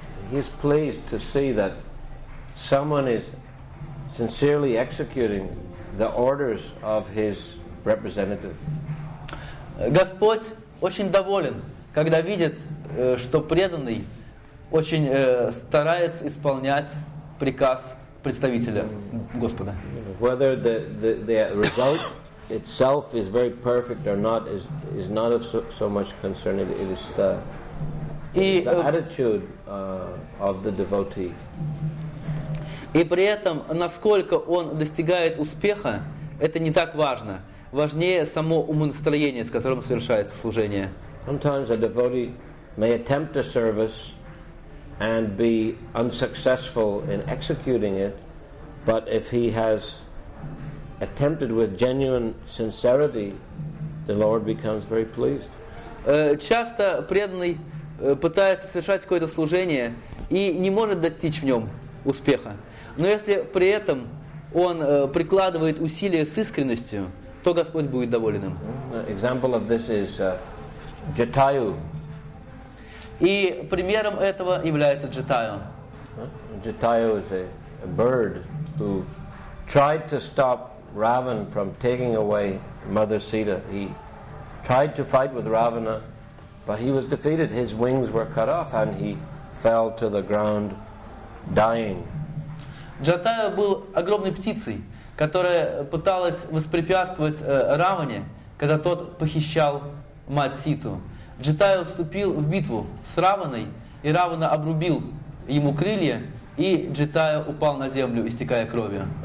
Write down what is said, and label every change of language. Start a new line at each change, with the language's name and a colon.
English: he's pleased to see that someone is sincerely executing the orders of his representative.
Russian: Господь очень доволен, когда видит, что преданный очень старается исполнять приказ представителя Господа.
English: Whether the result itself is very perfect or not is not of so much concern. It is the attitude of the devotee.
Russian: И при этом, насколько он достигает успеха, это не так важно. Важнее само умонастроение, с которым совершается служение.
English: Sometimes a devotee may attempt a service and be unsuccessful in executing it, but if he has attempted with genuine sincerity, the Lord becomes very pleased.
Russian: Часто преданный пытается совершать какое-то служение и не может достичь в нем успеха. Но если при этом он прикладывает усилия с искренностью, то Господь будет доволен им.
English: Example of this is Jatayu.
Russian: И примером этого является Джатайо.
English: Jatayu is a bird who tried to stop Ravan from taking away Mother Sita. He tried to fight with Ravana, but he was defeated. His wings were cut off, and he fell to the ground, dying.
Russian: Джатайо был огромной птицей, которая пыталась воспрепятствовать Раване, когда тот похищал мать Ситу. Джатайо вступил в битву с Раваной, и Равана обрубил ему крылья, и Джатайо упал на землю, истекая кровью.